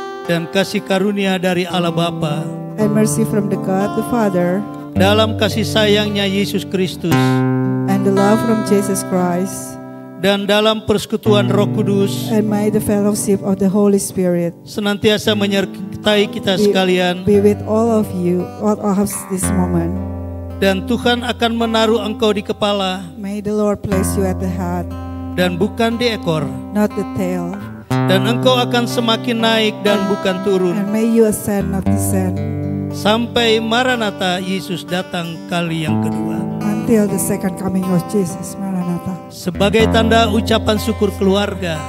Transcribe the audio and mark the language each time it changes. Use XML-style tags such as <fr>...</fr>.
<id>dan kasih karunia dari Allah Bapa</id> <en>and mercy from the God the Father</en> <id>dalam kasih sayangnya Yesus Kristus</id> <en>and the love from Jesus Christ</en> <id>dan dalam persekutuan Roh Kudus</id> <en>and may the fellowship of the Holy Spirit</en> <id>senantiasa menyertai kita sekalian</id> <en>be with all of you at this moment</en> <id>dan Tuhan akan menaruh engkau di kepala</id> <en>may the Lord place you at the head</en> <id>dan bukan di ekor</id> <en>not the tail</en> <id>dan engkau akan semakin naik dan bukan turun</id> <en>and may you ascend not descend</en> <id>sampai Maranatha Yesus datang kali yang kedua</id> <en>until the second coming of Jesus Maranatha</en> <id>sebagai tanda ucapan syukur keluarga</id>